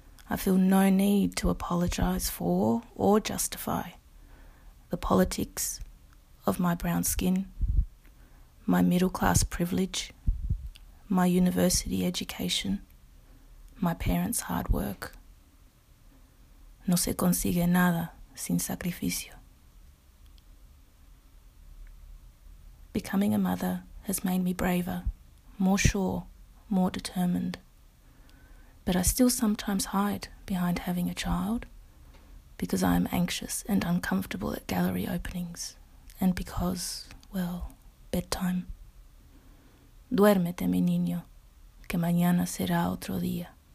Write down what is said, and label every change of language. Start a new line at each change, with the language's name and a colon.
English: I feel no need to apologize for or justify the politics of my brown skin, my middle-class privilege, my university education, my parents' hard work.
Spanish: No se consigue nada sin sacrificio.
English: Becoming a mother has made me braver, more sure, more determined. But I still sometimes hide behind having a child because I am anxious and uncomfortable at gallery openings and because, well, bedtime.
Spanish: Duérmete, mi niño, que mañana será otro día.